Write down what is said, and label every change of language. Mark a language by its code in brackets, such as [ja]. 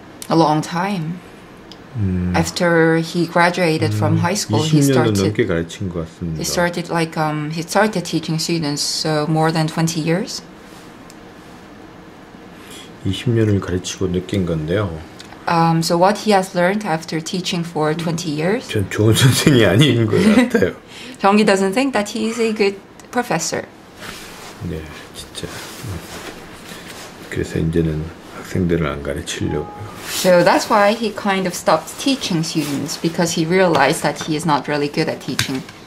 [en] A long time. After he graduated from high school, he started. He started like he started teaching students so more than 20 years. [ko] 20년을 가르치고 느낀 건데요. [en] So what he has learned after teaching for 20 years? [ko] 전 좋은 선생이 아닌 것 같아요. [en] Jong-gi doesn't think that he is a good professor. [ko] 네, 진짜. 그래서 이제는 학생들을 안 가르치려고요. [en] So that's why he kind of stopped teaching students because he realized that he is not really good at teaching.